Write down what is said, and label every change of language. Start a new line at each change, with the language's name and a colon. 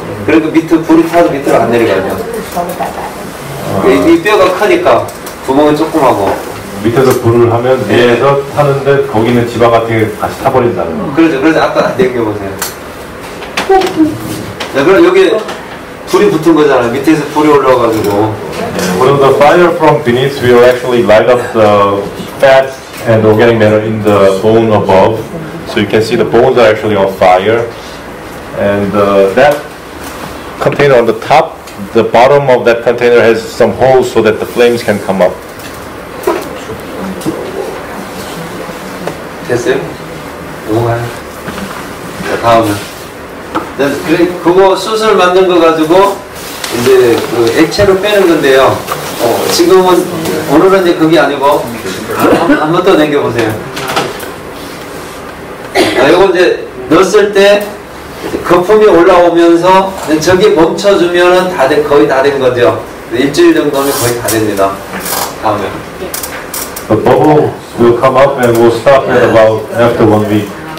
Korean: 그리고 밑에 불이 타서 밑으로 안 내려가죠. 이 뼈가 크니까 구멍은 조그마하고. 밑에서 불을 하면 위에서 네. 타는데 거기는 지방 같은 게 다시 타버린다는 거. 그렇죠. 그래서 아까 남겨보세요. 자, 그럼 여기 불이 붙은 거잖아요. 밑에서 불이 올라와가지고.
English: Well, the fire from beneath will actually light up the fat and organic matter in the bone above. So you can see the bones are actually on fire. And that container on the top, the bottom of that container has some holes so that the flames can come up.
Korean: 됐어요? 너무 많아요. 자, 다음은. 그거 숯을 만든 거 가지고 이제 그 액체로 빼는 건데요. 지금은, 오늘은 이제 그게 아니고 한 번 더 남겨보세요. 자, 이거 이제 넣었을 때 거품이 올라오면서 저기 멈춰주면은 거의 다 된 거죠. 일주일 정도면 거의 다 됩니다. 다음은.
English: The bubble will come up and will stop at about after 1 week.